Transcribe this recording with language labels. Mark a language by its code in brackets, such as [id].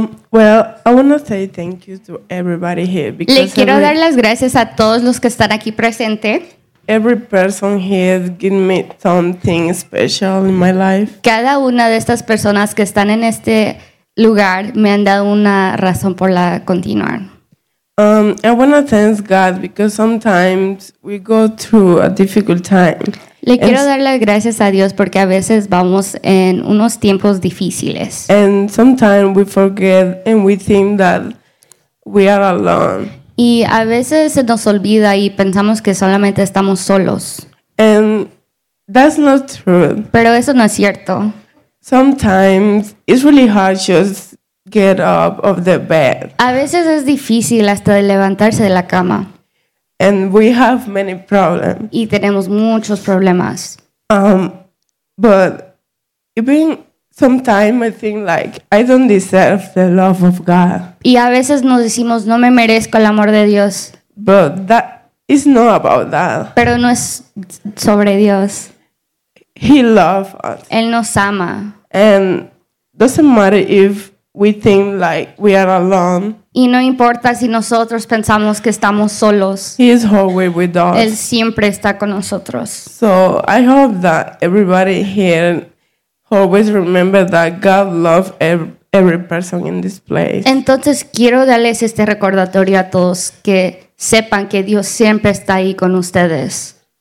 [en] Well, I want to say thank you to everybody here because [es] le quiero dar las gracias a todos los que están aquí presentes. [en] Every person here has given me something special in my life. [es] Cada una de estas personas que están en este lugar me han dado una razón por la continuar. [en] I want to thank God because sometimes we go through a difficult time. [es] Le quiero dar las gracias a Dios porque a veces vamos en unos tiempos difíciles. [en] And sometimes we forget and we think that we are alone. [es] Y a veces se nos olvida y pensamos que solamente estamos solos. [en] And that's not true. [es] Pero eso no es cierto. [en] Sometimes it's really hard just get up of the bed. [es] A veces es difícil hasta de levantarse de la cama. [en] And we have many problems. [es] Y tenemos muchos problemas. [en] But even sometimes I think like I don't deserve the love of God. [es] Y a veces nos decimos no me merezco el amor de Dios. [en] But that is not about that. [es] Pero no es sobre Dios. [en] He loves us. [es] Él nos ama. [en] And doesn't matter if we think like we are alone. [es] Y no importa si nosotros pensamos que estamos solos. [en] He is always with us. [es] Él siempre está con nosotros. [en] So I hope that everybody here always remember that God loves every person in this place. [es] Entonces quiero darles este recordatorio a todos que sepan que Dios siempre está ahí con ustedes.